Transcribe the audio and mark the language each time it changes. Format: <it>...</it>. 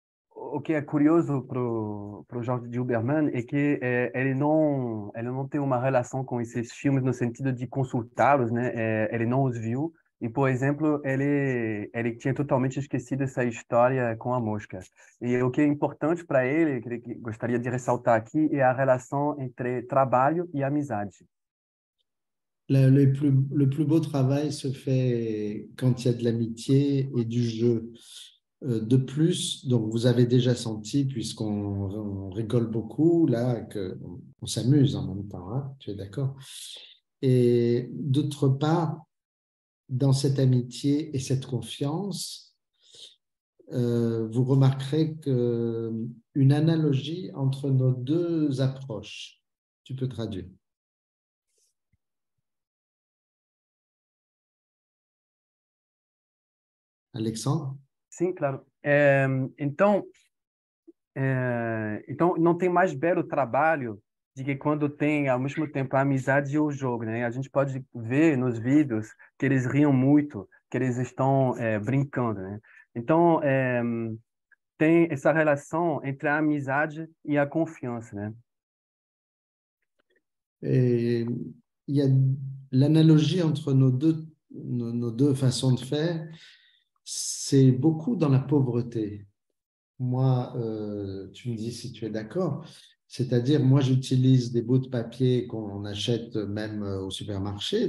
<pt>O que é curioso para o Jorge de Uberman é que ele não tem uma relação com esses filmes no sentido de consultá-los, né? Ele não os viu. E, por exemplo, ele tinha totalmente esquecido essa história com a mosca. E o que é importante para ele, que gostaria de ressaltar aqui, é a relação entre trabalho e amizade.</pt> <fr>Le plus beau travail se fait quand il y a de l'amitié et du jeu. De plus, donc vous avez déjà senti, puisqu'on rigole beaucoup là, qu'on s'amuse en même temps, hein, tu es d'accord? Et d'autre part, dans cette amitié et cette confiance, vous remarquerez que une analogie entre nos deux approches. Tu peux traduire. Alexandre?</fr> <pt>Sim, claro. Então não tem mais belo trabalho de que quando tem ao mesmo tempo a amizade e o jogo, né? A gente pode ver nos vídeos que eles riam muito, que eles estão brincando, né? Então tem essa relação entre a amizade e a confiança, né?</pt> <fr>Et il y a l'analogie entre nos deux façons de faire. C'est beaucoup dans la pauvreté. Moi, tu me dis si tu es d'accord. C'est-à-dire, moi, j'utilise des bouts de papier qu'on achète même au supermarché.</fr>